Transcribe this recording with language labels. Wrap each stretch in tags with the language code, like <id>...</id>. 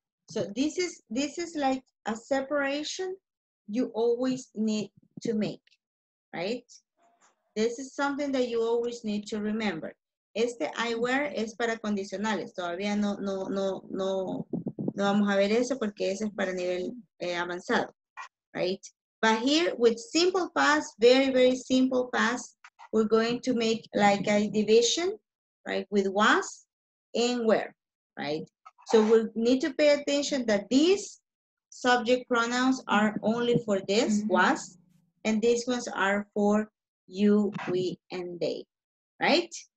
<en>So this is like a separation you always need to make, right? This is something that you always need to remember.</en> <es>Este I were es para condicionales. Todavía no vamos a ver eso porque ese es para nivel avanzado, right?</es> <en>But here with simple past, very, very simple past, we're going to make like a division, right? With was and were, right? So we need to pay attention that these subject pronouns are only for this, was, and these ones are for you, we, and they, right?</en>